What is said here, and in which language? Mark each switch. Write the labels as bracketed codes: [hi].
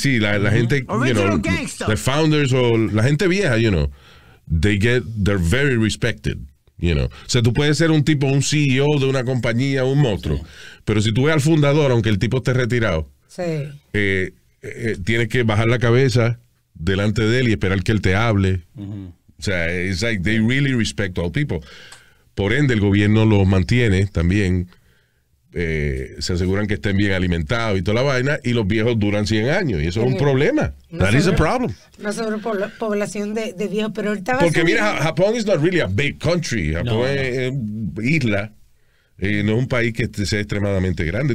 [es] Sí, la gente, [en] you know, the founders [es] o la gente vieja, [en] you know, they're very respected, you know. [es] O sea, tú puedes ser un tipo, un CEO de una compañía, un monstruo, pero si tú ves al fundador, aunque el tipo esté retirado, tienes que bajar la cabeza delante de él y esperar que él te hable. O sea, [en] it's like they really respect all people. [es] Por ende, el gobierno lo mantiene también. Se aseguran que estén bien alimentados y toda la vaina, y los viejos duran 100 años, y eso es un problema. [en] That is a problem. [es] Una sobrepoblación de viejos, pero ahorita va porque mira, [en] Japón is not really a big country. [es] Japón es isla, no es un país que sea extremadamente grande.